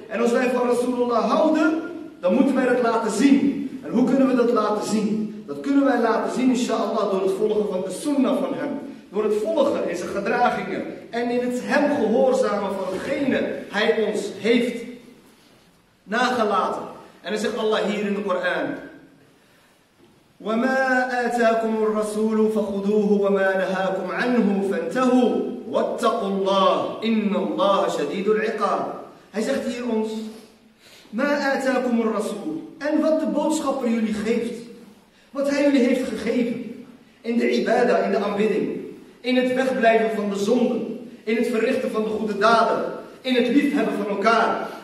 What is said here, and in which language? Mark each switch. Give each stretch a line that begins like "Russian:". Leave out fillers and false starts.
Dutch: En als wij van Rasulullah houden, dan moeten wij dat laten zien. En hoe kunnen we dat laten zien? Dat kunnen wij laten zien, inshallah, door het volgen van de sunnah van hem. Door het volgen in zijn gedragingen. En in het hem gehoorzamen van hetgene hij ons heeft nagelaten. En dan zegt Allah hier in de Koran:
Arabic: وَمَا آتَاكُمُ الرَّسُولُ فَخُذُوهُ وَمَا نَهَاكُمْ عَنْهُ فَانْتَهُوا وَاتَّقُوا اللَّهَ إِنَّ اللَّهَ شَدِيدُ الْعِقَابِ.
Dutch: Hij zegt hier ons:
Arabic: مَا آتَاكُمُ الرَّسُولُ.
Dutch: En wat de boodschapper jullie geeft, wat hij jullie heeft gegeven in de ibada, in de aanbidding, in het wegblijven van de zonden, in het verrichten van de goede daden, in het liefhebben van elkaar.